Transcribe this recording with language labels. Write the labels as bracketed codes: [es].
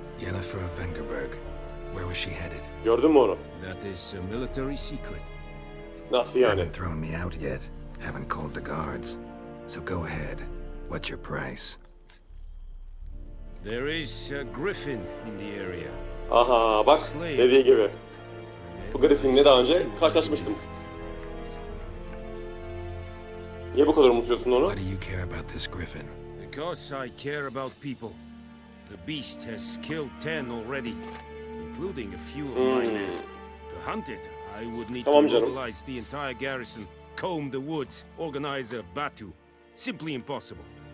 [en] Yennefer of Vengerberg. Where was she headed? [tr] Gördün mü onu? [en] That is a military secret. [tr] Nasıl yani? [en] Haven't thrown me out yet. Haven't called the guards. So go ahead. What's your price? There is a griffin in the area. [tr] Aha bak slave. Dediği gibi. Bu griffinle daha önce karşılaşmıştım. Niye bu kadar umursuyorsun onu? [en] Why do you care about this griffin? Because I care about people. The beast has killed 10 already, including a few of my men. To hunt it, I would need to mobilize the entire garrison, comb the woods, organize a battu. Simply impossible.